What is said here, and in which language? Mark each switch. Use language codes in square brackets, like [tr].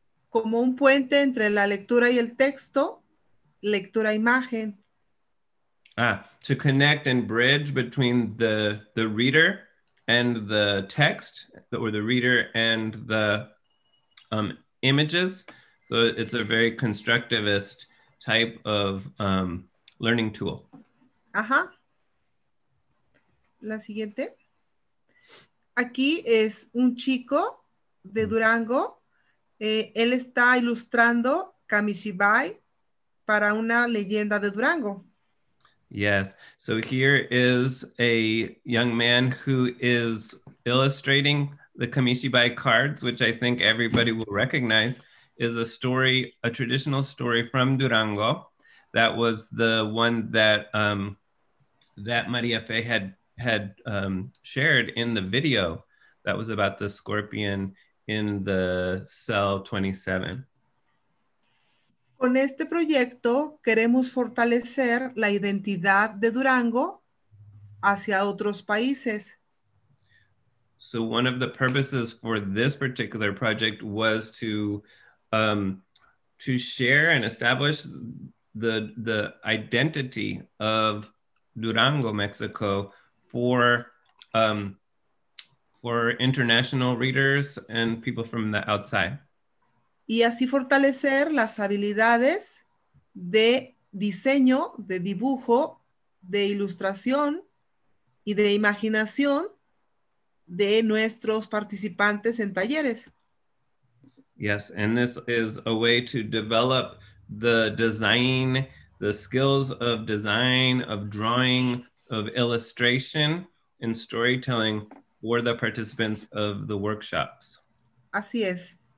[es] Como un puente entre la lectura y el texto, lectura-imagen. [en] To connect and bridge between the reader and the text, or the reader and the images. So it's a very constructivist type of learning tool. [es] Ajá. La siguiente. Aquí es un chico de Durango. Él está ilustrando Kamishibai para una leyenda de Durango. [en] Yes. So here is a young man who is illustrating the Kamishibai cards, which I think everybody will recognize is a story, a traditional story from Durango. That was the one that that Maria Fe had shared in the video that was about the scorpion in the cell 27. [es] Con este proyecto queremos fortalecer la identidad de Durango hacia otros países. [en] So one of the purposes for this particular project was to share and establish the identity of Durango, Mexico for international readers and people from the outside. [es] Y así fortalecer las habilidades de diseño, de dibujo, de ilustración y de imaginación de nuestros participantes en talleres. [en] Yes, and this is a way to develop the design, the skills of design, of drawing, of illustration and storytelling for the participants of the workshops. [es] Así es.